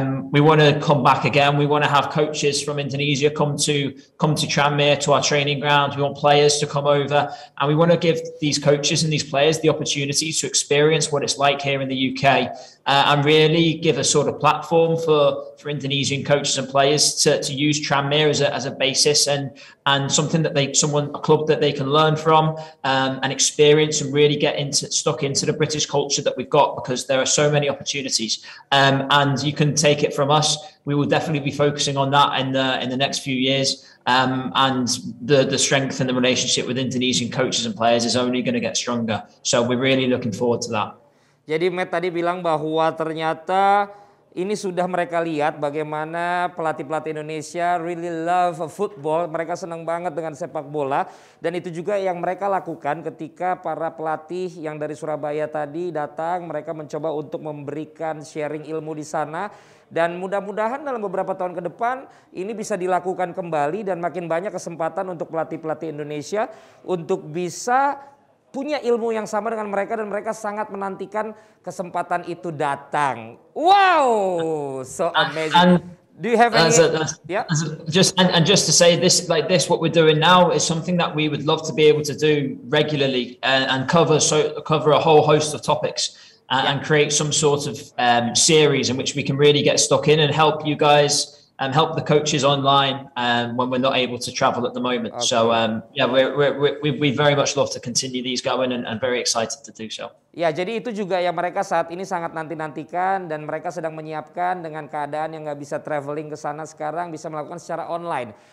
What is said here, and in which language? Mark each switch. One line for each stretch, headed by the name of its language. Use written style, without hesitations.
English: We want to come back again. We want to have coaches from Indonesia come to Tranmere, to our training ground. We want players to come over, and we want to give these coaches and these players the opportunity to experience what it's like here in the UK, and really give a sort of platform for Indonesian coaches and players to use Tranmere as a basis and something that a club that they can learn from and experience and really get stuck into the British culture that we've got, because there are so many opportunities. You can take it from us. We will definitely be focusing on that in the next few years. And the strength and the relationship with Indonesian coaches and players is only going to get stronger. So we're really looking forward to that.
Indonesian: Jadi Matt tadi bilang bahwa ternyata ini sudah mereka lihat bagaimana pelatih-pelatih Indonesia
English: really love football.
Indonesian: Mereka senang banget dengan sepak bola. Dan itu juga yang mereka lakukan ketika para pelatih yang dari Surabaya tadi datang. Mereka mencoba untuk memberikan sharing ilmu di sana. Dan mudah-mudahan dalam beberapa tahun ke depan ini bisa dilakukan kembali. Dan makin banyak kesempatan untuk pelatih-pelatih Indonesia untuk bisa punya ilmu yang sama dengan mereka, dan mereka sangat menantikan kesempatan itu datang.
English: Wow, so amazing. And, Do you have any? Just to say this, like this, what we're doing now is something that we would love to be able to do regularly and cover a whole host of topics and create some sort of series in which we can really get stuck in and help you guys and help the coaches online when we're not able to travel at the moment. Okay. So we very much love to continue these going and very excited to do so.
Indonesian: Ya, jadi itu juga yang mereka saat ini sangat nanti-nantikan dan mereka sedang menyiapkan dengan keadaan yang nggak bisa traveling ke sana sekarang bisa melakukan secara online.